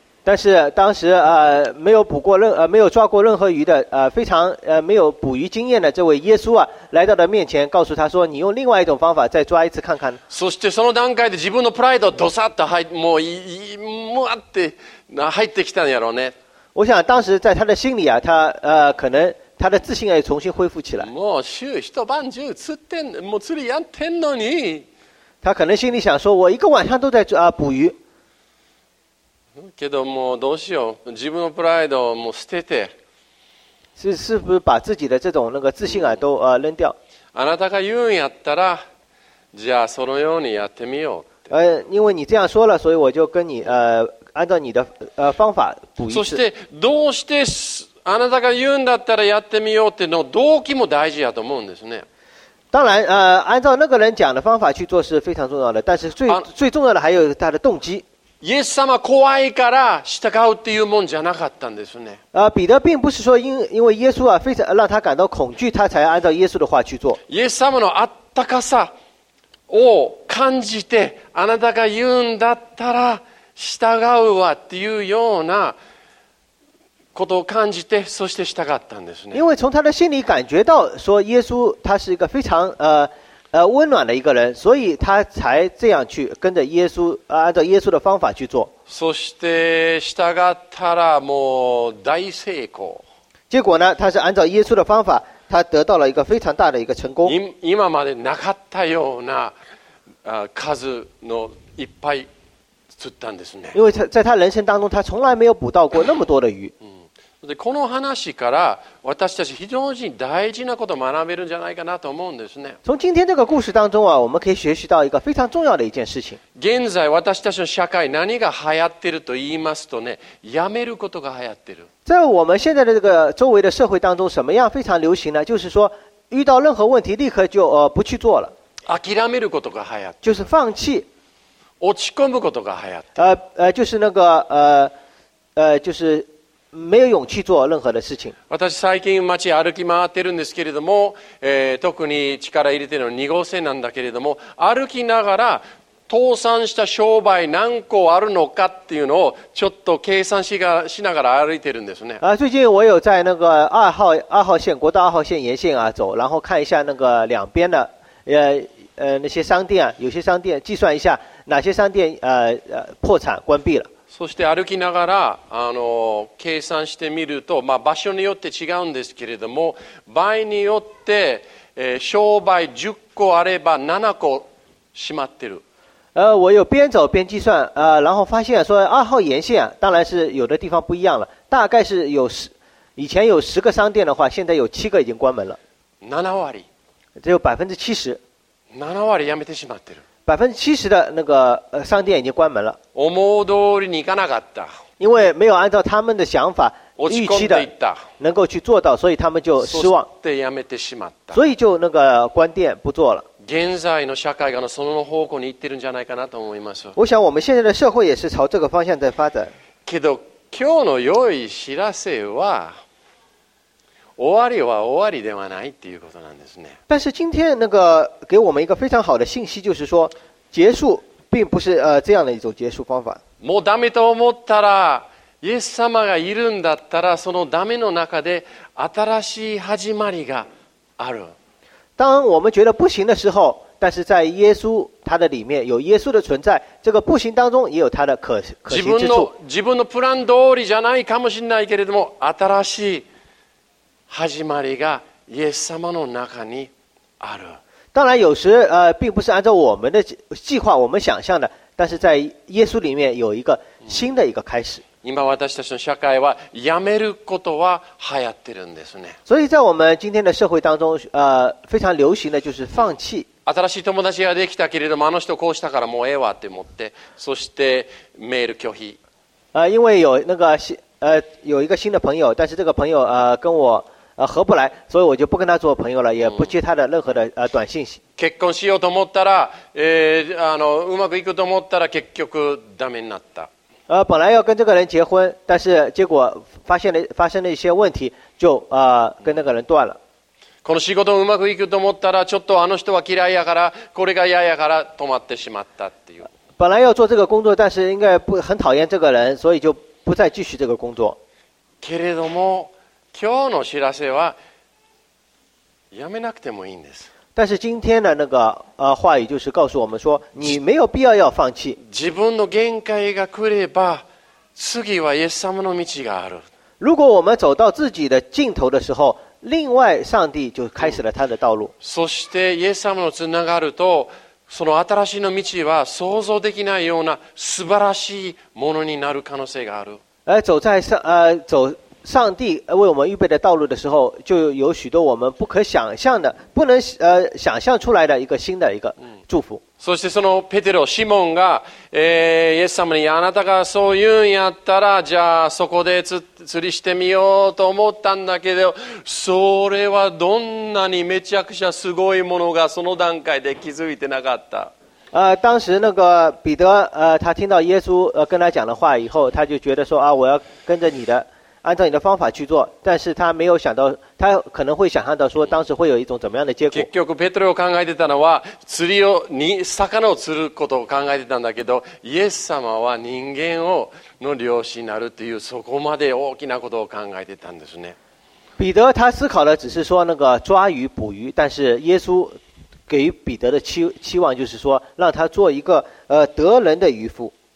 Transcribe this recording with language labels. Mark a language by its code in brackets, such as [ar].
[zh] 但是当时没有抓过任何鱼的非常没有捕鱼经验的这位耶稣啊来到了面前告诉他说你用另外一种方法再抓一次看看。 [ja] そしてその段階で自分のプライドドサッと入ってもういもあって入ってきたんやろうね。 [zh] 我想当时在他的心里啊他可能他的自信也重新恢复起来。 [ja] もう週一晩中釣ってんもう釣りやってんのに。 [zh] 他可能心里想说我一个晚上都在捕鱼。 [ja] けどもうどうしよう自分のプライドをもう捨てて [zh] 是不是把自己的这种那个自信啊都扔掉 [ja] あなたが言うんやったらじゃあそのようにやってみようって [zh] 因为你这样说了所以我就跟你按照你的方法补一次 [ja] そしてどうしてあなたが言うんだったらやってみようっての動機も大事やと思うんですね [zh] 当然按照那个人讲的方法去做是非常重要的但是 最重要的还有他的动机 [ja] イエス様怖いから従うっていうもんじゃなかったんですね。 [zh] 彼得并不是说因为耶稣啊非常让他感到恐惧，他才按照耶稣的话去做。 [ja] イエス様のあったかさを感じて、あなたが言うんだったら従うわっていうようなことを感じて、そして従ったんですね。 [zh] 因为从他的心里感觉到说耶稣他是一个非常温暖的一个人，所以他才这样去跟着耶稣，按照耶稣的方法去做。 [ja] そして従ったらもう大成功。 [zh] 结果呢，他是按照耶稣的方法，他得到了一个非常大的一个成功。 [ja] 今までなかったような数のいっぱい釣ったんですね。 [zh] 因为他在他人生当中，他从来没有捕到过那么多的鱼。 [ja] でこの話から私たち非常に大事なことを学べるんじゃないかなと思うんですね。 [zh] 从今天这个故事当中啊，我们可以学习到一个非常重要的一件事情。 [ja] 現在私たちの社会何が流行っていると言いますとね、辞めることが流行っている。 [zh] 在我们现在的这个周围的社会当中，什么样非常流行呢？就是说，遇到任何问题立刻就不去做了。 [ja] 諦めることが流行っている。 [zh] 就是放弃。 [ja] 落ち込むことが流行っている。 [zh] 就是那个就是。没有勇气做任何的事情。 [ja] 私最近街歩き回ってるんですけれども、特に力入れてるのは2号線なんだけれども、歩きながら倒産した商売何個あるのかっていうのをちょっと計算しながら歩いてるんですね。 [zh] 最近我有在那个2号线国道2号线沿线啊走，然后看一下那个两边的那些商店啊，有些商店计算一下哪些商店破产关闭了。 [ja] そして歩きながら計算してみると、まあ、場所によって違うんですけれども場合によって、商売10個あれば7個閉まってる [zh] 我有边走边计算然后发现说2号沿线当然是有的地方不一样了大概是有以前有10个商店的话现在有7个已经关门了 [ja] 7割 [zh] 只有 70% [ja] 7割やめてしまってる [zh] 70%的那个商店已经关门了。 [ja] 思う通りにいかなかった。 [zh] 因为没有按照他们的想法预期的能够去做到，所以他们就失望。 [ja] そしてやめてしまった。 [zh] 所以就那个关店不做了。 [ja] 現在の社会がその方向に行ってるんじゃないかなと思います。 [zh] 我想我们现在的社会也是朝这个方向在发展。 [ja] けど今日の良い知らせは。終わりは終わりではないっていうことなんですね。 [zh] 但是今天那个给我们一个非常好的信息，就是说结束并不是这样的一种结束方法。 [ja] もうダメと思ったらイエス様がいるんだったら、そのダメの中で新しい始まりがある。 [zh] 当我们觉得不行的时候，但是在耶稣他的里面有耶稣的存在，这个不行当中也有他的可行之处。 [ja] 自分のプラン通りじゃないかもしれないけれども、新しい始まりがイエス様の中にある。 [zh] 当然有时并不是按照我们的计划我们想象的，但是在耶稣里面有一个新的一个开始。 [ja] 今私たちの社会は辞めることは流行ってるんですね。 [zh] 所以在我们今天的社会当中，非常流行的就是放弃。 [ja] 新しい友達ができたけれども、あの人こうしたからもうええわって思って、そしてメール拒否。 [zh] 因为有那个有一个新的朋友，但是这个朋友跟我合不来，所以我就不跟他做朋友了，也不接他的任何的短信息。 [ja] 結婚しようと思ったら、うまくいくと思ったら結局ダメになった。 [zh] 本来要跟这个人结婚，但是结果发生了一些问题，就跟那个人断了。 [ja] この仕事うまくいくと思ったら、ちょっとあの人は嫌いやから、これが嫌やから止まってしまったっていう。 [zh] 本来要做这个工作，但是应该不很讨厌这个人，所以就不再继续这个工作。 [ja] けれども今日の知らせはやめなくてもいいんです。 [zh] 但是今天的那个话语就是告诉我们说，你没有必要要放弃。 [ja] 自分の限界が来れば、次はイエス様の道がある。 [zh] 如果我们走到自己的尽头的时候，另外上帝就开始了他的道路。 [ja] そしてイエス様のつながると、その新しいの道は想像できないような素晴らしいものになる可能性がある。 [zh] 走上帝为我们预备的道路的时候，就有许多我们不可想象的、不能想象出来的一个新的一个祝福。 [ja] そしてそのペテロ、シモンが、イエス様にあなたがそう言うんやったら、じゃあそこで釣りしてみようと思ったんだけど、それはどんなにめちゃくちゃすごいものがその段階で気づいてなかった。 [zh] 当时那个彼得他听到耶稣跟他讲的话以后，他就觉得说啊，我要跟着你的。按照你的方法去做，但是他没有想到，他可能会想象到说，当时会有一种怎么样的结果。 [ja] 結局ペテロ考えてたのは釣りを魚を釣ることを考えてたんだけど、イエス様は人間をの漁師になるっていうそこまで大きなことを考えてたんですね。 [zh] 彼得他思考的只是说那个抓鱼捕鱼，但是耶稣给予彼得的期望就是说，让他做一个得人的渔夫。